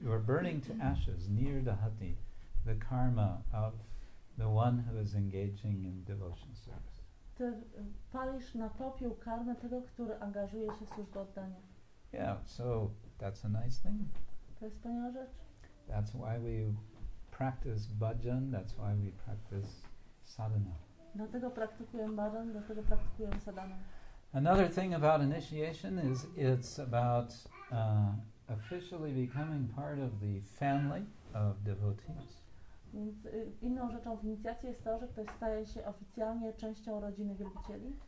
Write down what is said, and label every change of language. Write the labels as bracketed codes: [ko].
[en] You are burning to ashes near dahati, the karma of the one who is engaging in devotion service. [pl] Ty palisz na popiół karmę tego, który angażuje się w służbę oddania. [en] Yeah, so that's a nice thing. [pl] To jest wspaniała rzecz. [en] That's why we practice bhajan. That's why we practice sadhana. [pl] Dlatego praktykujemy bhajan, dlatego praktykujemy sadhana. [en] Another thing about initiation is it's about officially becoming part of the family of devotees. [pl] Więc inną rzeczą w inicjacji jest to, że ktoś staje się oficjalnie częścią rodziny wielbicieli.